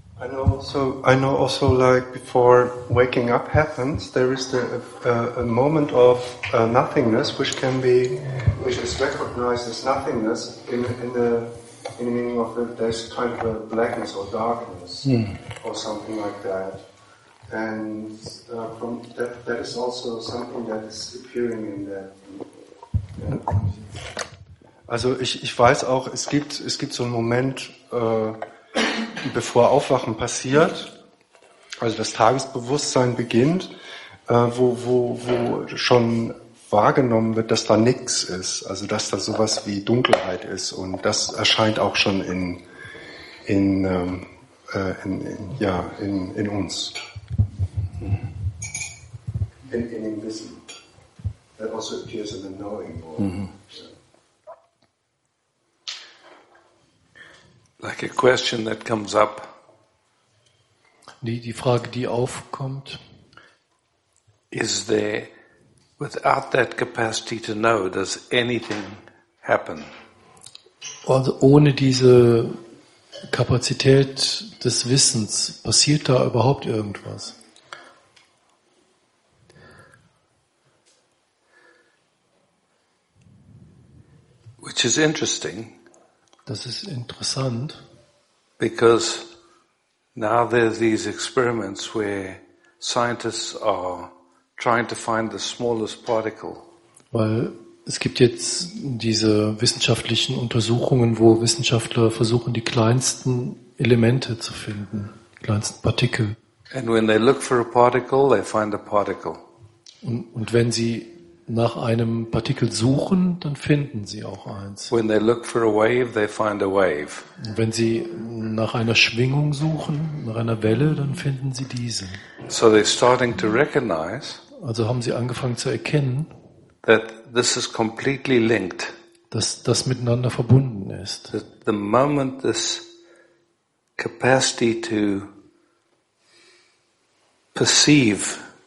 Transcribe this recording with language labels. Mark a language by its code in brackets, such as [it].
[en] I know also like before waking up happens, there is a moment of nothingness which is recognized as nothingness in the meaning of there's kind of a blackness or darkness or something like that. And from that, that is also something that is appearing in there. [de] Also ich weiß auch, es gibt so einen Moment, bevor Aufwachen passiert, also das Tagesbewusstsein beginnt, wo schon wahrgenommen wird, dass da nichts ist, also dass da sowas wie Dunkelheit ist, und das erscheint auch schon in uns. In dem Wissen. [en] That also appears in the knowing. Like a question that comes up. [de] Die Frage, die aufkommt. [en] Is there Without that capacity to know, does anything happen? [de] Also ohne diese Kapazität des Wissens, passiert da überhaupt irgendwas? [en] Which is interesting. [de] Das ist interessant. [en] Because now there are these experiments where scientists are trying to find the smallest particle. [de] Weil es gibt jetzt diese wissenschaftlichen Untersuchungen, wo Wissenschaftler versuchen, die kleinsten Elemente zu finden, kleinsten Partikel. [en] And when they look for a particle, they find a particle. [de] Und wenn sie nach einem Partikel suchen, dann finden sie auch eins. [en] When they look for a wave, they find a wave. [de] Und wenn sie nach einer Schwingung suchen, nach einer Welle, dann finden sie diese. [en] So they're starting to recognize, [de] also haben sie angefangen zu erkennen, [en] that this is completely linked. [de] Dass das miteinander verbunden ist. [en] That the moment this capacity to perceive,